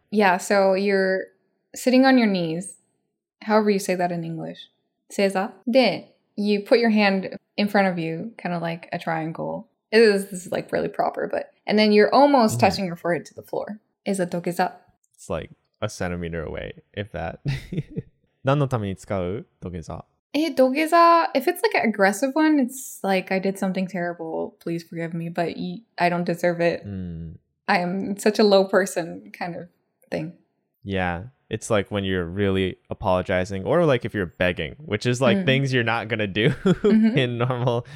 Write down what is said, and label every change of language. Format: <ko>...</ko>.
<en>Yeah, so you're sitting on your knees, however you say that in English.</en> <ja>正座?</ja> <en>で、you put your hand in front of you, kind of like a triangle. This is like really proper, but... And then you're almost touching your forehead to the floor. Is a 土下座? It's like a centimeter away, if that.</en> <ja>何のために使う土下座? どげざ?</ja> <en>If it's like an aggressive one, it's like, I did something terrible, please forgive me, but I don't deserve it. I am such a low person kind of thing. Yeah, it's like when you're really apologizing, or like if you're begging, which is like things you're not going to do in normal.</en>